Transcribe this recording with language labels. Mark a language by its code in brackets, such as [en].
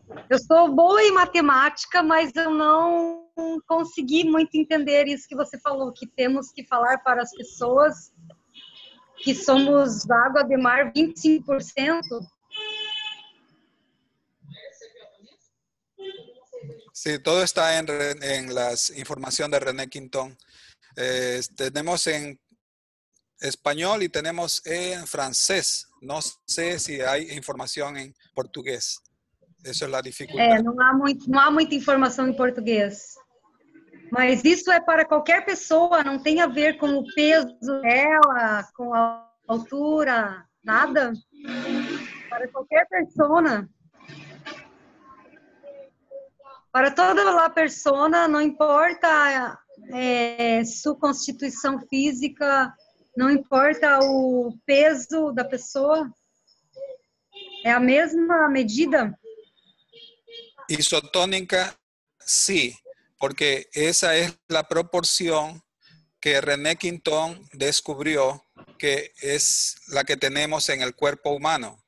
[pt] Eu sou boa em matemática, mas eu não consegui muito entender isso que você falou, que temos que falar para as pessoas que somos água de mar 25%. Sim, sí, tudo está em las informações de René Quintón. Temos em [es] español y tenemos en francés. No sé si hay información en portugués. Eso es la dificultad. No hay mucha información en portugués. Mas eso es para cualquier persona. No tiene a ver con el peso de ella, con la altura, nada. Para cualquier persona. Para toda la persona, no importa su constitución física. [pt] Não importa o peso da pessoa, é a mesma medida? Isotônica, sim, porque essa é a proporção que René Quintón descobriu que é a que temos em [es] el cuerpo humano.